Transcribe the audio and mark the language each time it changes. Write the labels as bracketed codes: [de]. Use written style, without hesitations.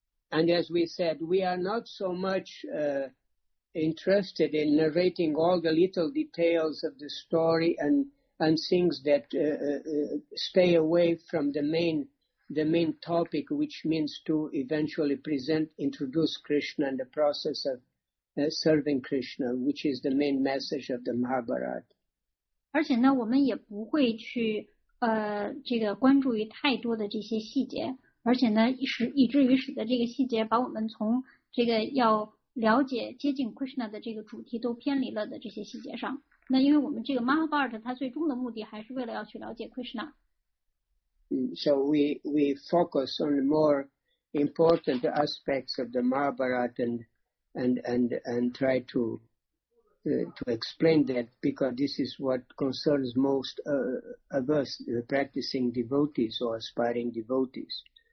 [en] And as we said, we are not so much interested in narrating all the little details of the story and things that stay away from the main topic, which means to eventually introduce Krishna and the process of serving Krishna, which is the main message of the Mahabharata. [zh] 而且呢，我们也不会去这个关注于太多的这些细节。而且呢，以至于使得这个细节把我们从这个要了解接近 Krishna 的这个主题都偏离了的这些细节上。那因为我们这个 Mahabharata 它最终的目的还是为了要去了解 Krishna。 [en] So we focus on the more important aspects of the Mahabharata and try to explain that because this is what concerns most of us practicing devotees or aspiring devotees.